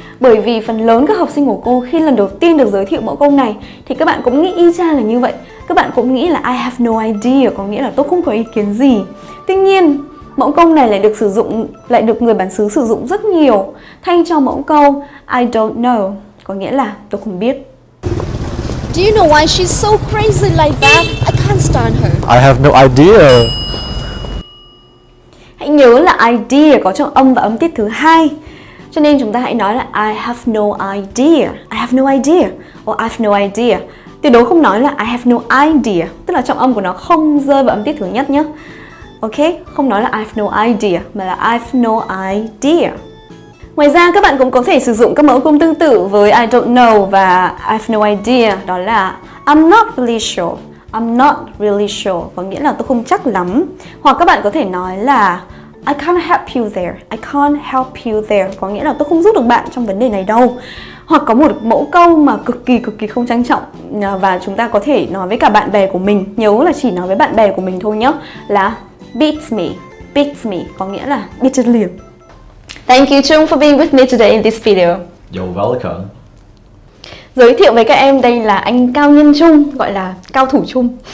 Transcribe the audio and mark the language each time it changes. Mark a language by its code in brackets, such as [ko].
[vi] Bởi vì phần lớn các học sinh của cô khi lần đầu tiên được giới thiệu mẫu câu này thì các bạn cũng nghĩ y chang là như vậy. Các bạn cũng nghĩ là [en] I have no idea [vi] có nghĩa là tôi không có ý kiến gì. Tuy nhiên, mẫu câu này lại được sử dụng, lại được người bản xứ sử dụng rất nhiều thay cho mẫu câu [en] I don't know [vi] có nghĩa là tôi không biết. [en] Do you know why she's so crazy like that? I can't stand her. I have no idea. [vi] Hãy nhớ là idea có trong âm và âm tiết thứ hai. Cho nên chúng ta hãy nói là [en] I have no idea. [vi] I have no idea. Or I have no idea. Tuyệt đối không nói là [en] I have no idea. [vi] Tức là trọng âm của nó không rơi vào âm tiết thứ nhất nhé. Ok, không nói là [en] I have no idea [vi] mà là [en] I have no idea. [vi] Ngoài ra các bạn cũng có thể sử dụng các mẫu câu tương tự với [en] I don't know [vi] và [en] I have no idea. [vi] Đó là [en] I'm not really sure. I'm not really sure [vi] có nghĩa là tôi không chắc lắm. Hoặc các bạn có thể nói là [en] I can't help you there. I can't help you there [vi] có nghĩa là tôi không giúp được bạn trong vấn đề này đâu. Hoặc có một mẫu câu mà cực kỳ không trang trọng và chúng ta có thể nói với cả bạn bè của mình. Nhớ là chỉ nói với bạn bè của mình thôi nhé. Là [en] beats me [vi] có nghĩa là biết chất liền. [en] Thank you Chung for being with me today in this video. You're welcome. [vi] Giới thiệu với các em, đây là anh Cao Nhân Trung, gọi là Cao Thủ Trung.